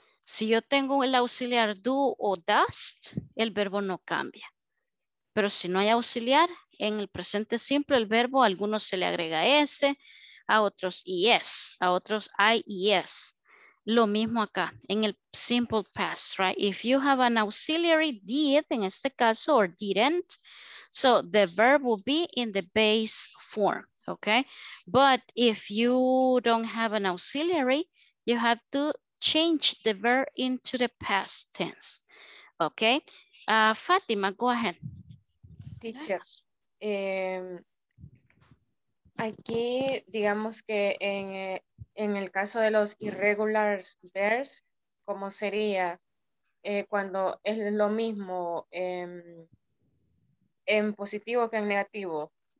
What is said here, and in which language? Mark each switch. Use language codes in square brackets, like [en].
[es] Si yo tengo el auxiliar do o does, el verbo no cambia. Pero si no hay auxiliar, en el presente simple, el verbo a algunos se le agrega S, a otros yes, a otros I yes. Lo mismo acá, en el simple past, right? [en] If you have an auxiliary, did, [es] en este caso, [en] or didn't, so the verb will be in the base form, okay? But if you don't have an auxiliary, you have to change the verb into the past tense, okay? Fatima, go ahead. [es] Teachers, aquí, digamos que en el caso de los irregular verbs, ¿cómo sería cuando es lo mismo en positivo que en negativo?